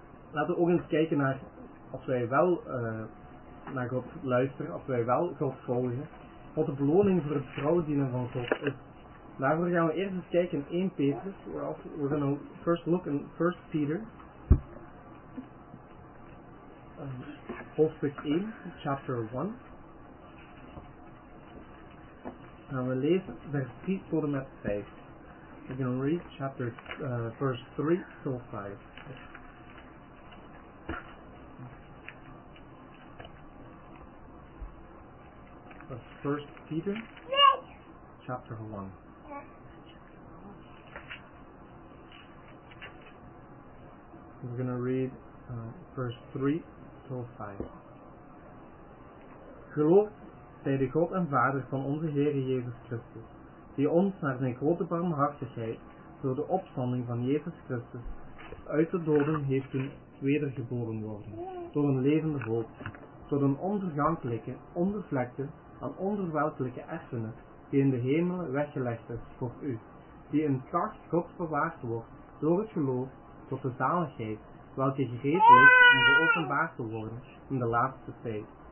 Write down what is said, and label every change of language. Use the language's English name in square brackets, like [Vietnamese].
[Dutch] Laten we ook eens kijken naar, als wij wel naar God luisteren, als wij wel God volgen. Wat de beloning voor het trouwdienen van God is. Daarvoor gaan we eerst eens kijken in 1 Petrus. [English] We're going to first look in 1 Peter. [Dutch] Hoofdstuk 1, [English] chapter 1. [Dutch] Gaan we lezen vers 3 tot en met 5. [English] We're going to read chapter, verse 3 to 5. That's 1 Peter, chapter 1. We're going to read verse 3 to 5. [Dutch] Geloof bij de God en Vader van onze Heer Jezus Christus, die ons naar zijn grote barmhartigheid door de opstanding van Jezus Christus uit de doden heeft doen wedergeboren worden, door een levende hoop, door een onvergankelijke, onbevlekte en onverwelkelijke erfenis die in de hemel weggelegd is voor u, die in kracht Gods bewaard wordt door het geloof tot de zaligheid, welke gereed is om geopenbaard te worden in de laatste tijd.